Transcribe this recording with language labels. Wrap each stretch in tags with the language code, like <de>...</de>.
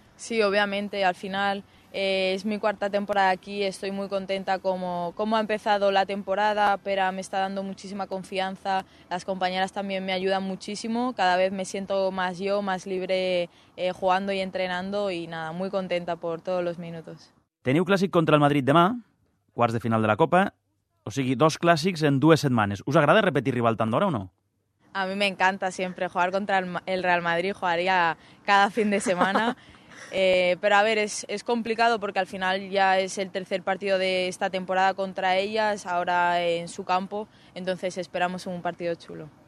<es>Sí, obviamente, al final es mi cuarta temporada aquí, estoy muy contenta cómo ha empezado la temporada, pero me está dando muchísima confianza, las compañeras también me ayudan muchísimo, cada vez me siento más yo, más libre jugando y entrenando, y nada, muy contenta por todos los minutos.</es> <ca>Teniu clàssic contra el Madrid demà, quarts de final de la Copa, o sigui, dos clàssics en dues setmanes. ¿Us agrada repetir rival tant d'hora o no?</ca> <es>A mí me encanta siempre jugar contra el Real Madrid, jugaría cada fin de semana. pero a ver, es complicado porque al final ya es el tercer partido de esta temporada contra ellas, ahora en su campo, entonces esperamos un partido chulo.</es>